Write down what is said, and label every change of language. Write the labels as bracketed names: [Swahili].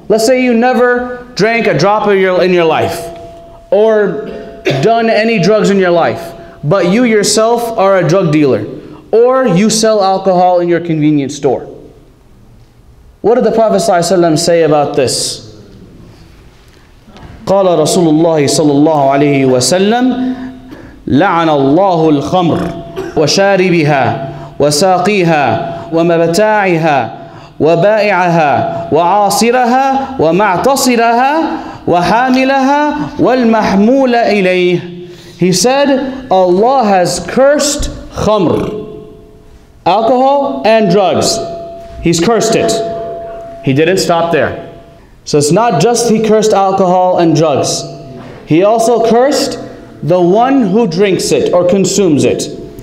[English] Let's say you never drank a drop of in your life or done any drugs in your life, but you yourself are a drug dealer or you sell alcohol in your convenience store. What did the Prophet ﷺ say about this? [Arabic] قال رسول الله صلى الله عليه وسلم لعن الله الخمر وشاربها وساقيها ومبتاعها وبائعها وعاصرها ومعتصرها وحاملها والمحمول إليه. [English] He said, Allah has cursed khamr, alcohol and drugs. He's cursed it. He didn't stop there. So it's not just he cursed alcohol and drugs. He also cursed the one who drinks it or consumes it.